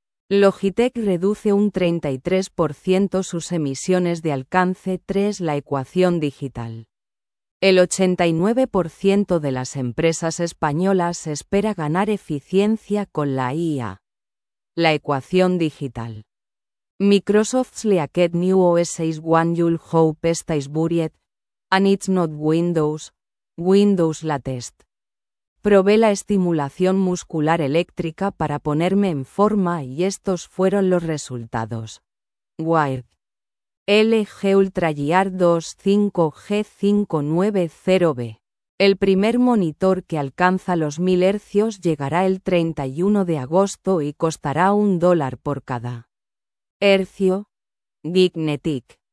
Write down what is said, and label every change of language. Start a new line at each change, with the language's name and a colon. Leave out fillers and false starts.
Spanish: Logitech reduce un 33% sus emisiones de alcance 3. La ecuación digital. El 89% de las empresas españolas espera ganar eficiencia con la IA. La ecuación digital.
English: Microsoft's Leaked New OS 6.1 you'll hope stays buried, and it's not Windows, Windows Latest.
Spanish: Probé la estimulación muscular eléctrica para ponerme en forma y estos fueron los resultados. Wired. LG Ultra Gear 2 5G590B. El primer monitor que alcanza los 1000 Hz llegará el 31 de agosto y costará $1 por cada. Hercio. Gignetic.